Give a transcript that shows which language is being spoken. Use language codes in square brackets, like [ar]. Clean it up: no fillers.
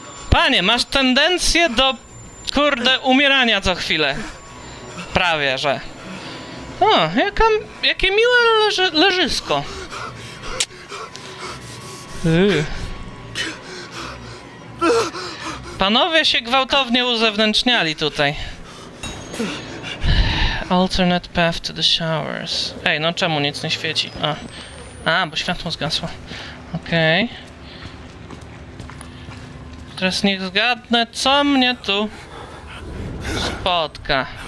[pl] Panie, masz tendencję do, kurde, umierania co chwilę. Prawie, że. O, jaka, jakie miłe leżysko. Panowie się gwałtownie uzewnętrzniali tutaj. [en] Alternate path to the showers. [pl] Ej, no czemu nic nie świeci? A, bo światło zgasło. Okej. Okay. Teraz niech zgadnę, co mnie tu spotka.